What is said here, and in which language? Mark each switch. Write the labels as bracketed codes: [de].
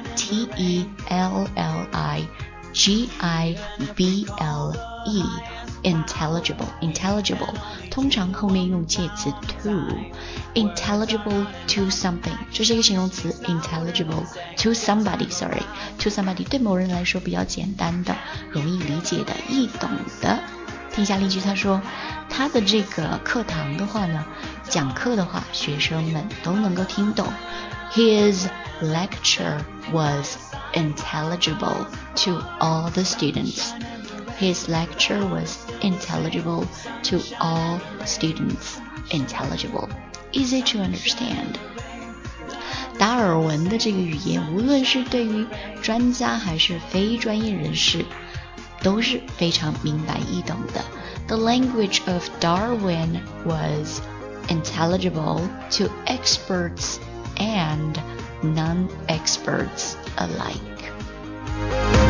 [en] T-E-L-L-I-G-I-B-L-E Intelligible [zh] 通常后面用介词 [en] to Intelligible to something [zh] 这是一个形容词 [en] Intelligible to somebody Sorry To somebody [zh] 对某人来说比较简单的容易理解的易懂的听一下例句，他说他的这个课堂的话呢，讲课的话学生们都能够听懂。 [en] His lecture was intelligible to all the students. His lecture was intelligible to all students. Intelligible. Easy to understand. [zh] 达尔文的这个语言，无论是对于专家还是非专业人士，都是非常明白易懂的。 [en] The language of Darwin was intelligible to experts and non-experts alike.